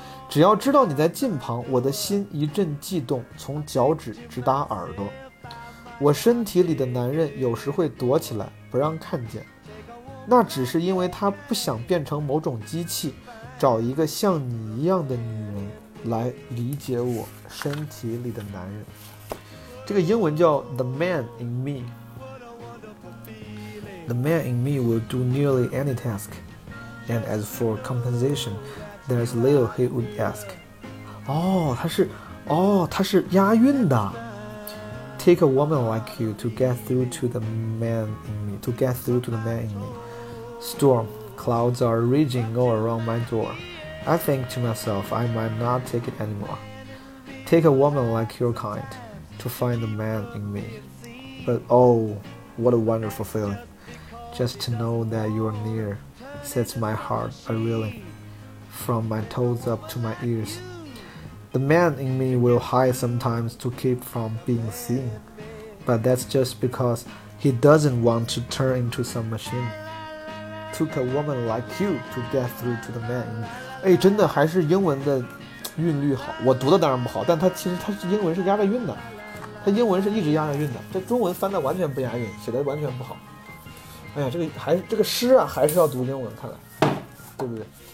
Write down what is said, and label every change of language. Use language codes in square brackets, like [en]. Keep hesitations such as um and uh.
[zh] 只要知道你在近旁，我的心一阵悸动，从脚趾直达耳朵。我身体里的男人有时会躲起来，不让看见，那只是因为他不想变成某种机器。找一个像你一样的女人来理解我身体里的男人。这个英文叫 The Man in Me. [en] The man in me will do nearly any task, and as for compensation, there's little he would ask. [zh] 哦，他是，哦，他是押韵的。 [en] Take oh oh a woman like you to get through to the man in me. To get through to the man in me. Storm clouds are raging all around my door. I think to myself, I might not take it any more. Take a woman like your kind to find the man in me. But oh, what a wonderful feeling. Just to know that you're near sets my heart a reeling really, from my toes up to my ears. The man in me will hide sometimes to keep from being seen, but that's just because he doesn't want to turn into some machine. Took a woman like you to get through to the man. [zh] 哎，真的还是英文的韵律好。我读的当然不好，但它其实它是英文是押着韵的。 [en] Hey, really, [zh] 它英文是一直押着韵的，这中文翻的完全不押韵，写的完全不好。哎呀，这个还是这个诗啊，还是要读英文，看来，对不对？